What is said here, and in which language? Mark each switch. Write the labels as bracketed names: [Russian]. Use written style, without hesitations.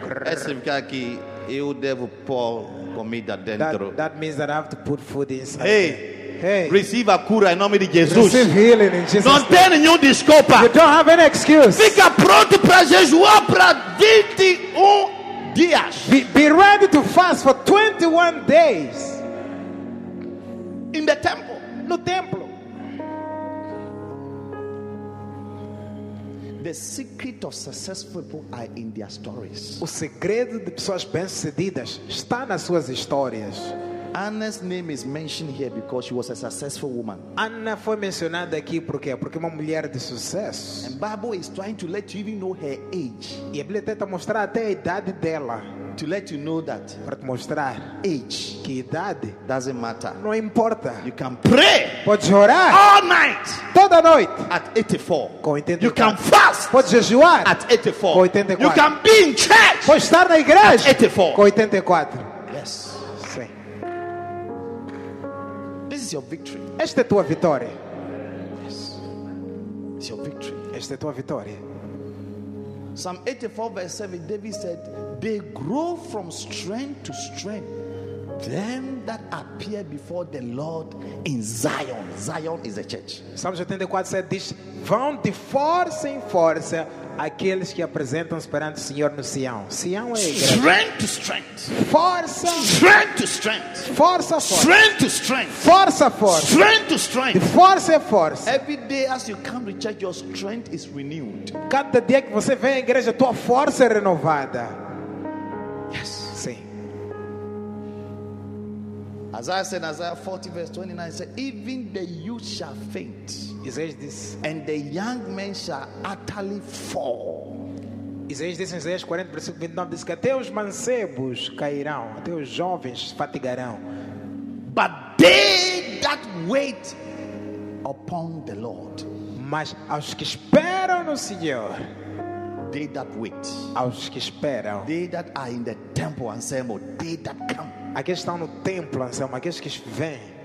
[Portuguese] Esse fica aqui, eu devo pôr comida dentro. [English] That means that I have to put food inside. Hey, hey. [Portuguese] Receive a cura em nome de Jesus. [English] Receive healing in Jesus. [Portuguese] Não tem nenhum desculpa. [English] You don't have any excuse. [Portuguese] Fica pronto para jejuar para 21 dias. [English] Be ready to fast for 21 days. In the temple. [Portuguese] No templo. [English] The secret of successful people are in their stories. [Portuguese] O segredo de pessoas bem-sucedidas está nas suas histórias. [English] Anna's name is mentioned here because she was a successful woman. [Portuguese] Anna foi mencionada aqui porque é uma mulher de sucesso. [English] And Bible is trying to let you even know her age. [Portuguese] E a Bíblia tenta mostrar até a idade dela. [English] To let you know that. [Portuguese] Para te mostrar. [English] Age. [Portuguese] Que idade. [English] Doesn't matter. [Portuguese] Não importa. [English] You can pray. [Portuguese] Pode orar. [English] All night. [Portuguese] Toda noite. [English] At 84. [Portuguese] Com 84. [English] You can fast. [Portuguese] Pode jejuar. [English] At 84. [Portuguese] Com 84. [English] You can be in church. [Portuguese] Pode estar na igreja. [English] At 84. [Portuguese] Com 84. [English] Yes. [Portuguese] Sim. [English] This is your victory. [Portuguese] Esta é tua vitória. [English] Yes. It's your victory. [Portuguese] Esta é tua vitória. [English] Psalm 84 verse 7, David said, they grow from strength to strength, them that appear before the Lord in Zion. Zion is a church. [Portuguese] Psalm 84 said, diz, vão de força em força aqueles que apresentam-se perante o Senhor no Sião. Sião é igreja. [English] Strength to strength. [Portuguese] Força. [English] Strength to strength. [Portuguese] Força, força. [English] Strength to strength. [Portuguese] Força, força. [English] Strength to strength. [Portuguese] Força, força. [English] Every day as you come to church, your strength is renewed. [Portuguese] Cada dia que você vem à igreja, tua força é renovada. [English] Yes. [Portuguese] Sim. [English] Isaiah said, Isaiah 40 verse 29 said, even the youth shall faint. [Portuguese] Isaiah diz, [English] and the young men shall utterly fall. [Portuguese] Isaiah diz, Isaiah 40 versículo 29 diz que até os mancebos cairão, até os jovens fatigarão. [English] But they that wait upon the Lord. [Portuguese] Mas aos que esperam no Senhor. [English] They that wait. [Portuguese] Aos que esperam. [English] They that are in the temple and say, they that come. [Portuguese] Aqueles que estão no templo, Anselmo, aqueles que vêm,